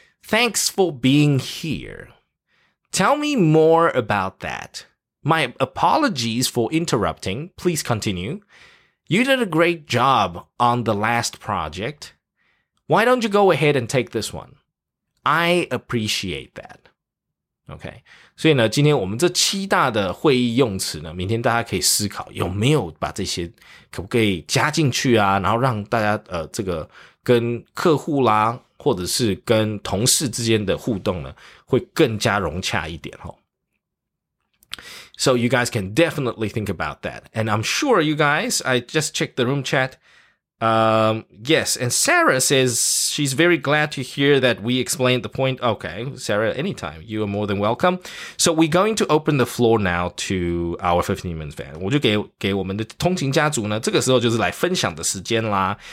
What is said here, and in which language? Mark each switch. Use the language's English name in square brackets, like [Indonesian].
[English] Thanks for being here. Tell me more about that. My apologies for interrupting. Please continue. You did a great job on the last project. Why don't you go ahead and take this one? I appreciate that. Okay. [Chinese] 所以呢，今天我们这七大的会议用词呢，明天大家可以思考有没有把这些可不可以加进去啊，然后让大家这个跟客户啦，或者是跟同事之间的互动呢，会更加融洽一点齁。 [English] So you guys can definitely think about that. And I'm sure you guys, I just checked the room chat. Yes, and Sarah says she's very glad to hear that we explained the point. Okay, Sarah, anytime. You are more than welcome. So we're going to open the floor now to our 15-minute fan. [Chinese] 我就给我们的通勤家族呢，这个时候就是来分享的时间啦。